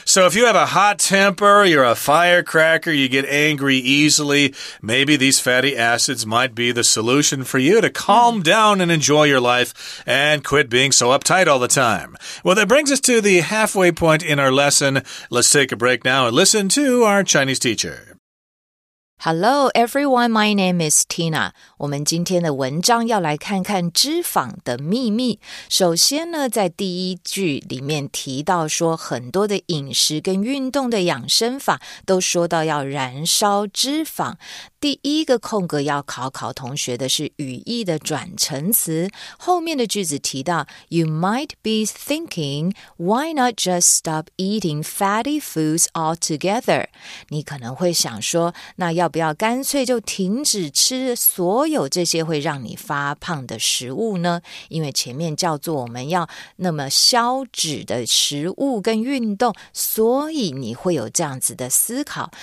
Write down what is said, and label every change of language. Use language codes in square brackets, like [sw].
[en] So if you have a hot temper, you're a firecracker, you get angry easily, maybe these fatty acids might be the solution for you to calm down and enjoy your life and quit being so uptight all the time. Well, that brings us to the halfway point in our lesson. Let's take a break now and listen to our Chinese teacher. Hello, everyone. My name is Tina. [zh] 我们今天的文章要来看看脂肪的秘密。首先呢，在第一句里面提到说，很多的饮食跟运动的养生法都说到要燃烧脂肪。第一个空格要考考同学的是语义的转成词。后面的句子提到 [en] You might be thinking, why not just stop eating fatty foods altogether? [zh] 你可能会想说，那要不要干脆就停止吃所有这些会让你发胖的食物呢？因为前面叫做我们要那么消脂的食物跟运动，所以你会有这样子的思考。